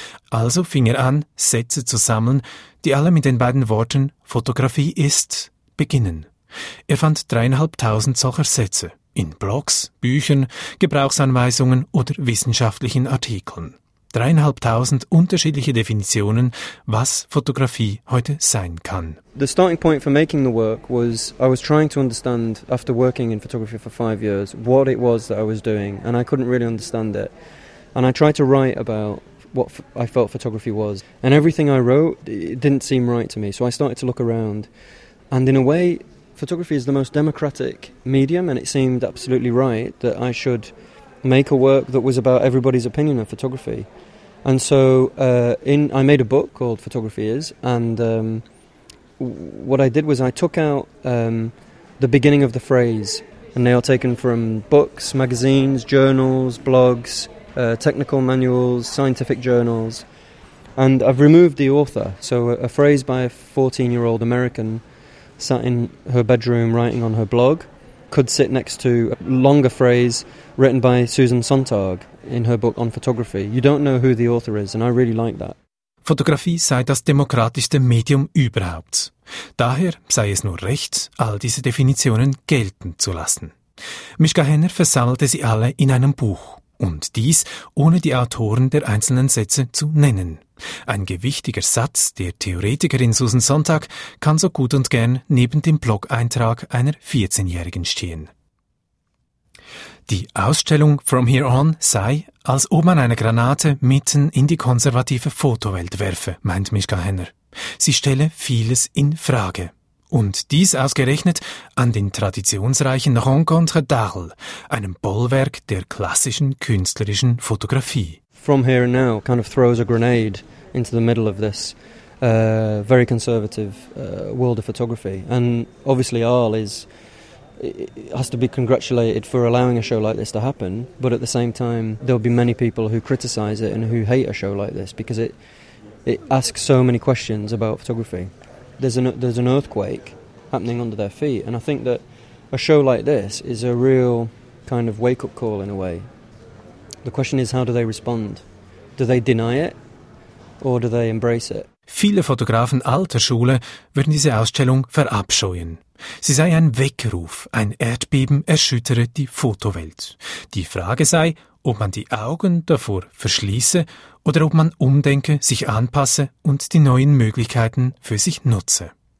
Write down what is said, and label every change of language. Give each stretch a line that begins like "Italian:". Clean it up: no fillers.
German: Also fing er an, Sätze zu sammeln, die alle mit den beiden Worten «Fotografie ist» beginnen. Er fand 3.500 solcher Sätze in Blogs, Büchern, Gebrauchsanweisungen oder wissenschaftlichen Artikeln. 3.500 unterschiedliche Definitionen, was Fotografie heute sein kann.
English: The starting point for making the work was I was trying to understand after working in photography for 5 years what it was that I was doing and I couldn't really understand it. And I tried to write about what I felt photography was and everything I wrote it didn't seem right to me. So I started to look around and in a way photography is the most democratic medium and it seemed absolutely right that I should make a work that was about everybody's opinion of photography. And so I made a book called Photography Is, and what I did was I took out the beginning of the phrase, and they are taken from books, magazines, journals, blogs, technical manuals, scientific journals, and I've removed the author. So a phrase by a 14-year-old American sat in her bedroom writing on her blog could sit next to a longer phrase written by Susan Sontag in her book on photography. You don't know who the author is, and I really like that.
German: Fotografie sei das demokratischste Medium überhaupt. Daher sei es nur recht, all diese Definitionen gelten zu lassen. Mischka Henner versammelte sie alle in einem Buch. Und dies, ohne die Autoren der einzelnen Sätze zu nennen. Ein gewichtiger Satz der Theoretikerin Susan Sontag kann so gut und gern neben dem Blog-Eintrag einer 14-Jährigen stehen. Die Ausstellung From Here On sei, als ob man eine Granate mitten in die konservative Fotowelt werfe, meint Mischka Henner. Sie stelle vieles in Frage. Und dies ausgerechnet an den traditionsreichen Rencontre d'Arles, einem Bollwerk der klassischen künstlerischen Fotografie.
English: From Here and Now kind of throws a grenade into the middle of this very conservative world of photography. And obviously Arles has to be congratulated for allowing a show like this to happen, but at the same time there'll be many people who criticize it and who hate a show like this because it asks so many questions about photography. There's an earthquake happening under their feet, and I think that a show like this is a real kind of wake-up call in a way. The question is, how do they respond? Do they deny it or do they embrace it?
German: Viele Fotografen alter Schule würden diese Ausstellung verabscheuen. Sie sei ein Weckruf, ein Erdbeben erschüttere die Fotowelt. Die Frage sei, ob man die Augen davor verschließe oder ob man umdenke, sich anpasse und die neuen Möglichkeiten für sich nutze.